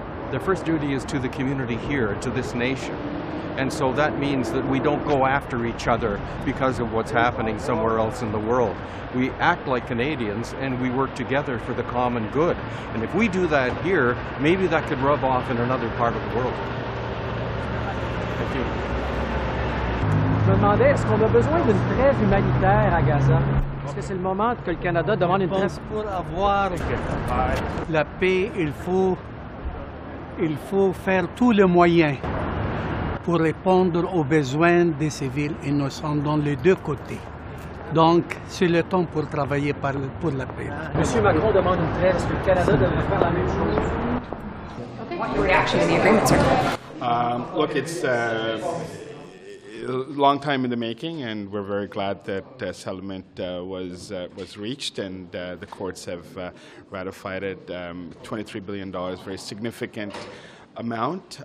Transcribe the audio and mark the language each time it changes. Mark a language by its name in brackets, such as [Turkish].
[English] Their first duty is to the community here, to this nation. And so that means that we don't go after each other because of what's happening somewhere else in the world. We act like Canadians and we work together for the common good. And if we do that here, maybe that could rub off in another part of the world. Thank you. [French] Je me demandais, est-ce qu'on a besoin d'une trêve humanitaire à Gaza? Est-ce que c'est le moment que le Canada demande une trêve? Pour avoir la paix, il faut faire tous les moyens pour répondre aux besoins des civils innocents dans les deux côtés. Donc, c'est le temps pour travailler pour la paix. Monsieur Macron demande une trêve. Est-ce que le Canada devrait faire la même chose? [English] Okay. What's your reaction to the agreement, sir? Look, it's long time in the making, and we're very glad that settlement was reached, and the courts have ratified it. $23 billion, very significant amount.